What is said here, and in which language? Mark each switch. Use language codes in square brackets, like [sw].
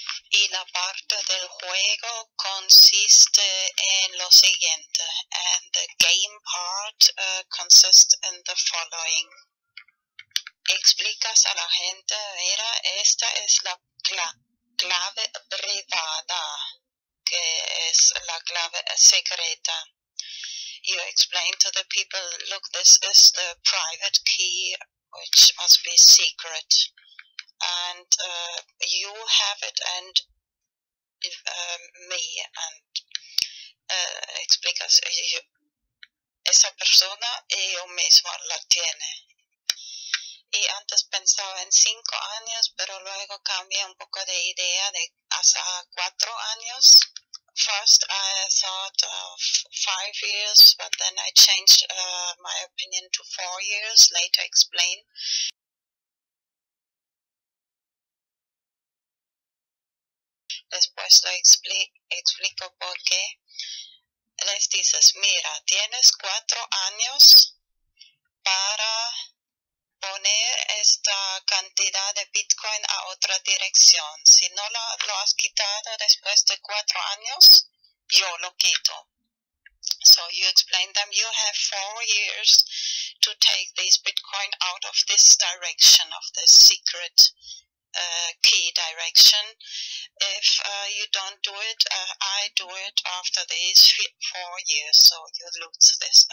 [es] Y la parte del juego consiste en lo siguiente. [en] And the game part consists in the following. [es] Explicas a la gente, mira, esta es la clave privada, que es la clave secreta. [en] You explain to the people, look, this is the private key, which must be secret. And you have it and me. [es] And explicas, esa persona y yo mismo la tiene. Y antes pensaba en 5 años, pero luego cambié un poco de idea de hasta 4 años. [en] First, I thought of 5 years, but then I changed my opinion to 4 years, later explain. [es] Después lo explico por qué. Les dices, mira, tienes 4 años para poner esta cantidad de Bitcoin a otra dirección. Si no lo has quitado después de 4 años, yo lo quito. [en] So you explain them, you have 4 years to take this Bitcoin out of this direction, of this secret key direction. if you don't do it, I do it after these 4 years, so you lose this.